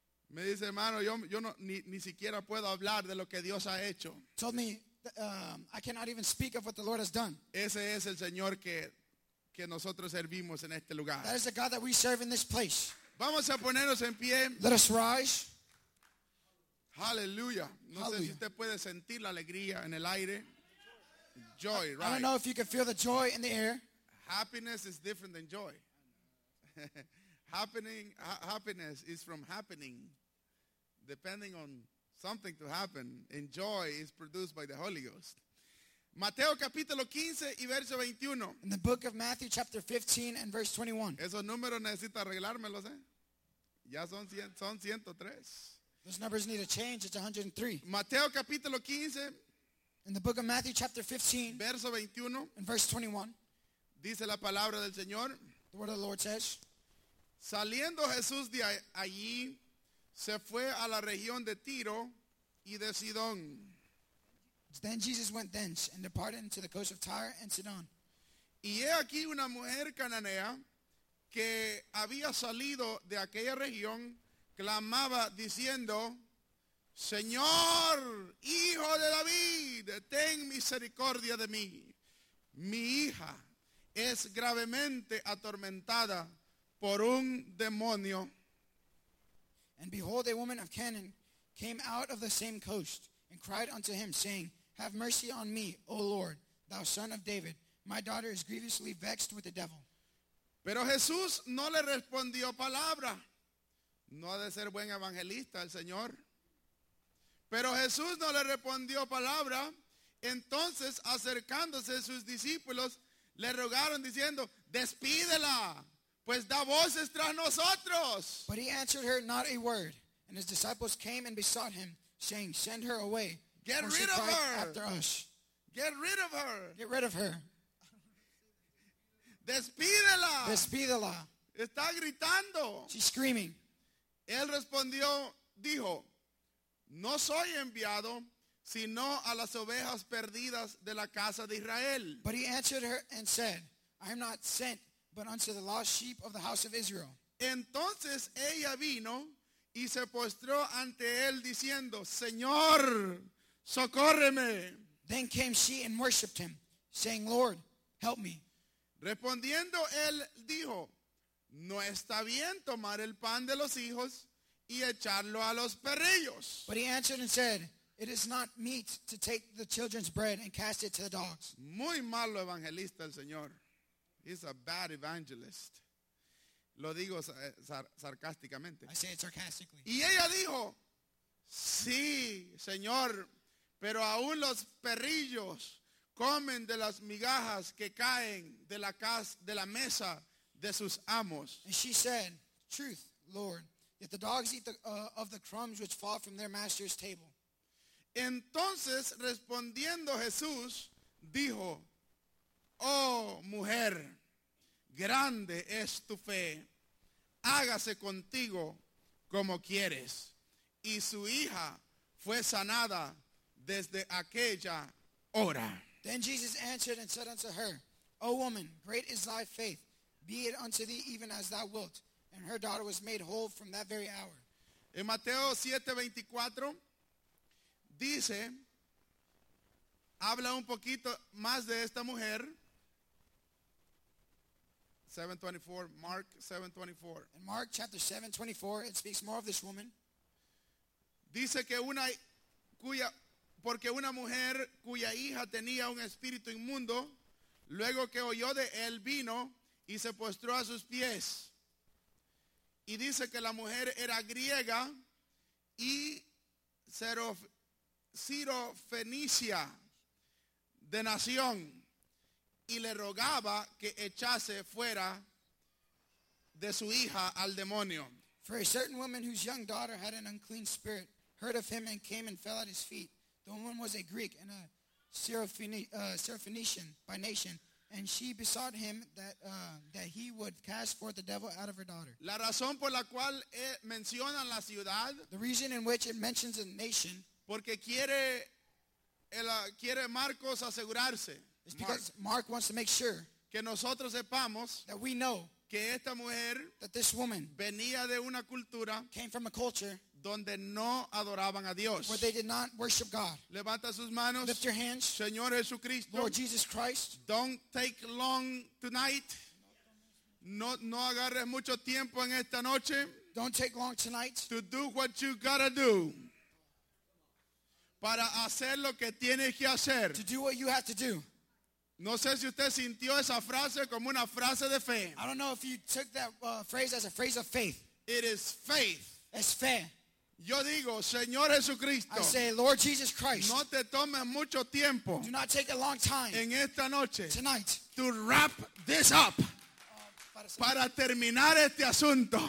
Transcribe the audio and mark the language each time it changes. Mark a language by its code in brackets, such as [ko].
[es] Me dice, hermano, yo no ni siquiera puedo hablar de lo que Dios ha hecho. [en] Told me, I cannot even speak of what the Lord has done. [es] Ese es el Señor que nosotros servimos en este lugar. [en] That is the God that we serve in this place. [es] Vamos a ponernos en pie. [en] Let us rise. Hallelujah. [es] No sé si usted puede sentir la alegría en el aire. [en] Joy, right? I don't know if you can feel the joy in the air. Happiness is different than joy. happiness is from happening, depending on something to happen. And joy is produced by the Holy Ghost. [es] Mateo capítulo 15 y verso 21. [en] In the book of Matthew chapter 15 and verse 21. [es] Esos números necesita arreglármelos, ¿eh? Ya son 103. [en] Those numbers need a change. It's 103. [es] Mateo capítulo 15. [en] In the book of Matthew chapter 15, [es] verso 21, [en] in verse 21, [es] dice la palabra del Señor, [en] the word of the Lord says, [es] saliendo Jesús de allí, se fue a la región de Tiro y de Sidón. [en] Then Jesus went thence and departed into the coast of Tyre and Sidon. [es] Y he aquí una mujer cananea que había salido de aquella región, clamaba diciendo, Señor, Hijo de David, ten misericordia de mí. Mi hija es gravemente atormentada por un demonio. [en] And behold, a woman of Canaan came out of the same coast and cried unto him, saying, Have mercy on me, O Lord, thou son of David. My daughter is grievously vexed with the devil. [es] Pero Jesús no le respondió palabra. No ha de ser buen evangelista el Señor. Pero Jesús no le respondió palabra. Entonces, acercándose a sus discípulos, le rogaron diciendo, Despídela, pues da voces tras nosotros. [en] But he answered her not a word. And his disciples came and besought him, saying, Send her away. Get rid of her. After us. Get rid of her. Get rid of her. [es] Despídela. Despídela. Está gritando. [en] She's screaming. [es] Él respondió, dijo, no soy enviado sino a las ovejas perdidas de la casa de Israel. [en] But he answered her and said, I am not sent but unto the lost sheep of the house of Israel. [es] Entonces ella vino y se postró ante él diciendo, Señor, socórreme. [en] Then came she and worshipped him, saying, Lord, help me. [es] Respondiendo él dijo, no está bien tomar el pan de los hijos y echarlo a los perrillos. [en] But he answered and said, it is not meet to take the children's bread and cast it to the dogs. [es] Muy malo evangelista el Señor. [en] He's a bad evangelist. [es] Lo digo sarcásticamente. [en] I say it sarcastically. [es] Y ella dijo, sí, Señor, pero aún los perrillos comen de las migajas que caen de la casa, de la mesa de sus amos. [en] And she said, truth, Lord, yet the dogs eat of the crumbs which fall from their master's table. [es] Entonces, respondiendo Jesús, dijo, oh, mujer, grande es tu fe. Hágase contigo como quieres. Y su hija fue sanada desde aquella hora. [en] Then Jesus answered and said unto her, O woman, great is thy faith. Be it unto thee even as thou wilt. And her daughter was made whole from that very hour. [es] En Mateo 7:24 dice, habla un poquito más de esta mujer. [en] 7:24, Mark 7:24. In Mark chapter 7:24, it speaks more of this woman. [es] Dice que una cuya, porque una mujer cuya hija tenía un espíritu inmundo, luego que oyó de él, vino y se postró a sus pies. Y dice que la mujer era griega y sirofenicia de nación. Y le rogaba que echase fuera de su hija al demonio. [en] For a certain woman whose young daughter had an unclean spirit heard of him and came and fell at his feet. The woman was a Greek and a Syrophoenician by nation. And she besought him that that he would cast forth the devil out of her daughter. [es] La razón por la cual menciona la ciudad. [en] The reason in which it mentions a nation. [es] Porque quiere, quiere Marcos asegurarse. [en] It's because Mark wants to make sure [es] que nosotros sepamos [en] that we know [es] que esta mujer [en] that this woman [es] venía de una cultura [en] came from a culture [es] donde no adoraban a Dios. [en] Where they did not worship God. [es] Levanta sus manos. [en] Lift your hands. [es] Señor Jesucristo. [en] Lord Jesus Christ. Don't take long tonight. [es] No agarres mucho tiempo en esta noche. [en] Don't take long tonight. To do what you gotta do. [es] Para hacer lo que tienes que hacer. [en] To do what you have to do. [es] No sé si usted sintió esa frase como una frase de fe. [en] I don't know if you took that phrase as a phrase of faith. It is faith. [es] Es fe. Yo digo, Señor Jesucristo. [en] I say, Lord Jesus Christ. [es] No te tomes mucho tiempo. [en] Do not take a long time. [es] En esta noche. [en] Tonight. To wrap this up. [es] Para terminar este asunto.